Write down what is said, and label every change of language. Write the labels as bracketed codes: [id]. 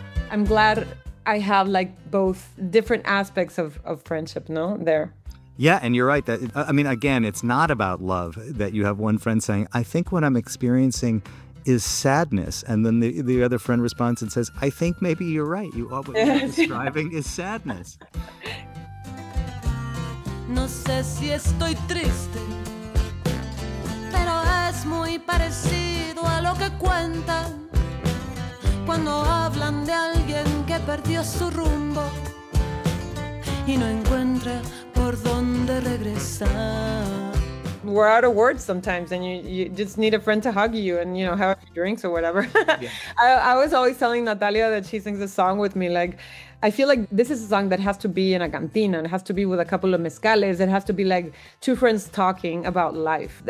[en] I'm glad I have like both different aspects of friendship, no, there. Yeah, and you're right. Again, it's not about love that you have one friend saying, I think what I'm experiencing is sadness, and then the other friend responds and says, I think maybe you're right. You all what you're describing is sadness. [es] No sé si estoy triste, pero es muy parecido a lo que cuentan cuando hablan de alguien que perdió su rumbo y no encuentra por dónde regresar. [en] we're out of words sometimes, and you just need a friend to hug you and, you know, have a few drinks or whatever. Yeah. I was always telling Natalia that she sings a song with me, like, I feel like this is a song that has to be in a cantina. It has to be with a couple of mezcales. It has to be like two friends talking about life.